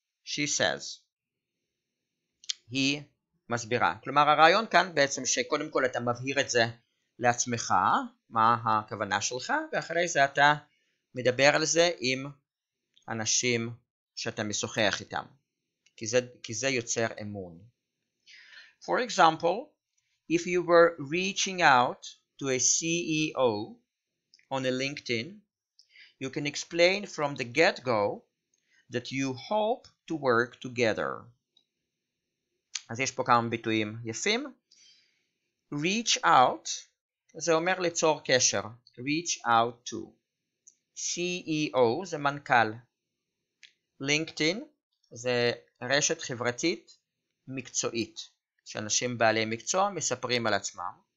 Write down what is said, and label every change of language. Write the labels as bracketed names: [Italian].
[English] She says, [Hebrew] היא מסבירה. כלומר, הרעיון כאן בעצם שקודם כל אתה מבהיר את זה לעצמך, מה הכוונה שלך, ואחרי זה אתה מדבר על זה עם אנשים שאתה משוחח איתם, כי זה יוצר אמון. [English] For example, if you were reaching out to a CEO on a LinkedIn, you can explain from the get-go that you hope to work together. [Hebrew] אז יש פה כמה ביטויים יפים. [English] Reach out, [Hebrew] זה אומר ליצור קשר. Reach out to. CEO, זה מנכ"ל. LinkedIn, זה רשת חברתית מקצועית, שאנשים בעלי מקצוע מספרים על עצמם.